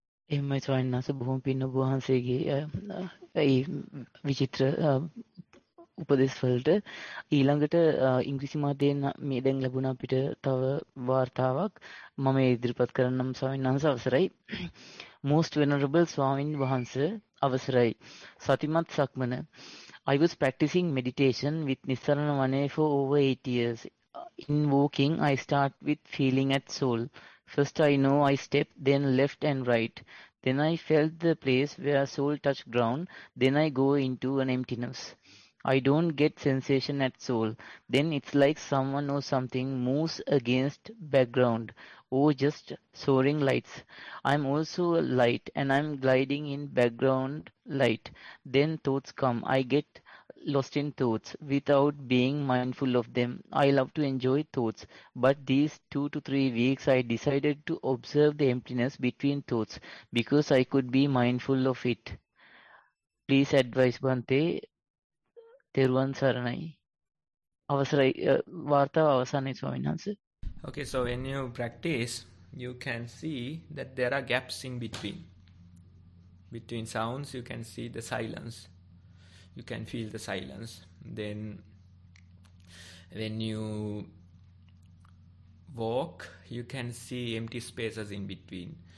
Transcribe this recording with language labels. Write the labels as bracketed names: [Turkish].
[Sinhala] එහෙමයි සවන්නස බොහොම පින්න බුහන්සේගේ ඒ විචිත්‍ර උපදෙස් වලට. ඊළඟට ඉංග්‍රීසි මාධ්‍යයෙන් මේ දැන් ලැබුණ අපිට තව වார்த்தාවක් මම ඉදිරිපත් කරන්නම් ස්වාමීන් වහන්සේ අවසරයි. [English] Most venerable [Sinhala] ස්වාමින් වහන්සේ අවසරයි. සතිමත් සක්මන. [English] I was practicing meditation with Nissarana Vane for over 8 years. In walking, I start with feeling at sole. First I know I step, then left and right. Then I felt the place where sole touched ground. Then I go into an emptiness. I don't get sensation at soul. Then it's like someone or something moves against background or just soaring lights. I'm also a light and I'm gliding in background light. Then thoughts come. I get lost in thoughts without being mindful of them. I love to enjoy thoughts. But these 2 to 3 weeks I decided to observe the emptiness between thoughts because I could be mindful of it. Please advise Bhante. [Sinhala] තෙරුවන් සරණයි. අවසරයි වார்த்தාව අවසන්යි ස්වාමීන් වහන්ස. [English] Okay, so when you practice, you can see that there are gaps in between. Between sounds, you can see the silence. You can feel the silence. Then, when you walk, you can see empty spaces in between.